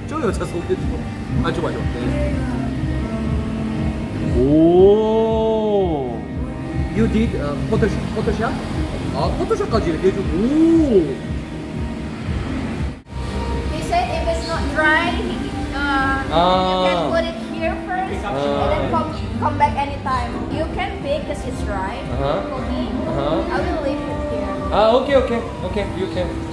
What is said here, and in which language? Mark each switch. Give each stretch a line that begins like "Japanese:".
Korean: 저 여자 소개도 아주 맞아. 네.
English: 오. You did Photoshop? Photoshop?
Korean: 아, Photoshop까지 이렇게 해주고. 오.
English: He said if it's not dry, you can put it here first and then come back anytime. You can pick because it's dry. For me, I will leave.
Korean: 아, 오케이, 오케이, 오케이,
English: 유 캔.